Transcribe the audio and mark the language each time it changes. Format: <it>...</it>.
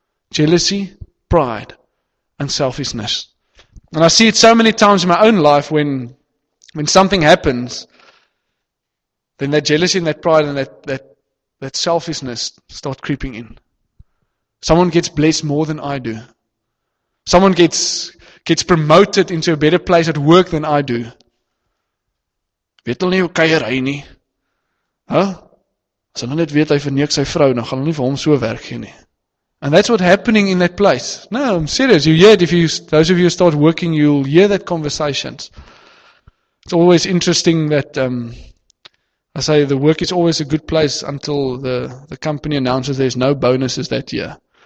<en>Jealousy, pride, and selfishness. And I see it so many times in my own life when something happens, then that jealousy and that pride and that selfishness start creeping in. Someone gets blessed more than I do. Someone gets promoted into a better place at work than I do.</en> <af>Weet hulle nie hoe kuier hy nie? Huh? As hulle net weet hy verneek sy vrou, dan gaan hulle nie vir hom so werk gee nie.</af> <en>And that's what's happening in that place. No, I'm serious. You hear it. If you, those of you who start working, you'll hear that conversations. It's always interesting that, I say the work is always a good place until the company announces there's no bonuses that year.</en>